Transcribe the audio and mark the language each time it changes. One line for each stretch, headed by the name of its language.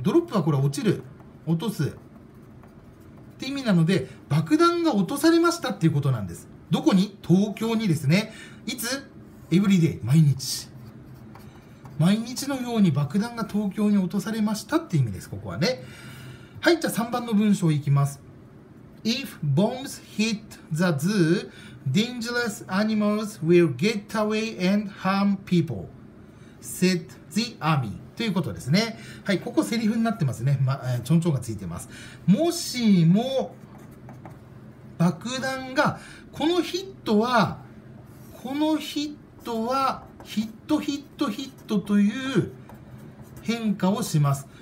Japanese: ドロップはこれ落ちる。落とす。って意味なので、爆弾が落とされましたっていうことなんです。どこに？東京にですね。いつ？エブリデイ、毎日。毎日のように爆弾が東京に落とされましたって意味です、ここはね。はい、じゃあ3番の文章いきます。
English: If bombs hit the zoo, dangerous animals will get away and harm people, said the army.
Japanese: ということですね。はい、ここセリフになってますね。ま、ちょんちょんがついてます。もしも爆弾が、このヒットは、このヒットは、ヒットヒットヒットという変化をします。